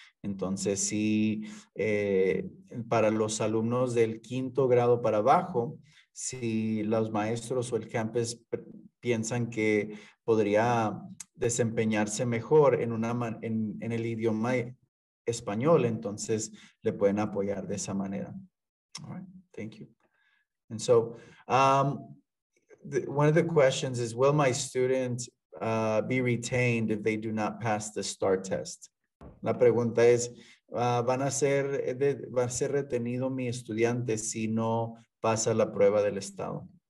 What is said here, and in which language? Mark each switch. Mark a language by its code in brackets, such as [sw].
[es] Entonces, sí, para los alumnos del quinto grado para abajo, si los maestros o el campus piensan que podría desempeñarse mejor en el idioma español, entonces le pueden apoyar de esa manera. [en] All right, thank you. And so, one of the questions is, will my student be retained if they do not pass the START test? [es] La pregunta es, ¿va a ser retenido mi estudiante si no pasa la prueba del estado?